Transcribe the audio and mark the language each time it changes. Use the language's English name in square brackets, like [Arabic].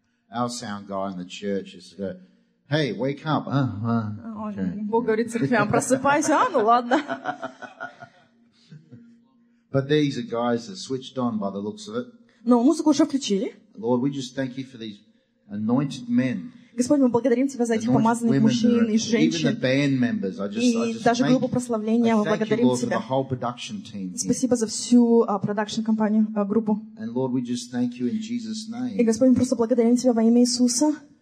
[English] Our sound guy in the church is going, "Hey, wake up!" [Russian] Бог говорит церквям, просыпайся, ну ладно. [English] But these are guys that switched on by the looks of it. [Russian] Но музыку уже включили. [English] Lord, we just thank you for these anointed men. [Russian] Господь, мы благодарим Тебя за этих помазанных мужчин и женщин. И даже группу прославления, мы благодарим Тебя. Спасибо за всю продакшн-компанию, группу. И Господь, мы просто благодарим Тебя во имя Иисуса.